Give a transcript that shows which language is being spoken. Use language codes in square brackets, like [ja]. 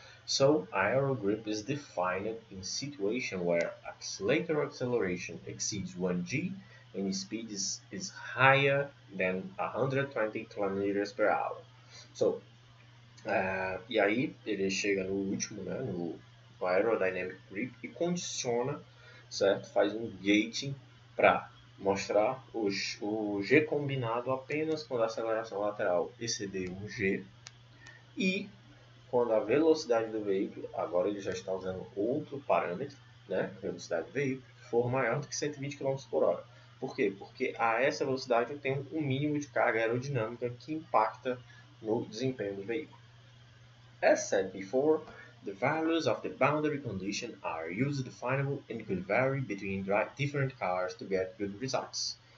[en] So, aero grip is defined in situation where acceleration exceeds 1G and speed is higher than 120 km per hour. [pt] So, e aí ele chega no último, né, no aerodynamic grip, e condiciona, certo? Faz um gating para mostrar o G combinado apenas quando a aceleração lateral exceder 1G e quando a velocidade do veículo, agora ele já está usando outro parâmetro, né, velocidade do veículo, for maior do que 120 km por hora. Por quê? Porque a essa velocidade tem um mínimo de carga aerodinâmica que impacta no desempenho do veículo. [en] As said before, the values of the boundary condition are user definable and could vary between different cars to get good results.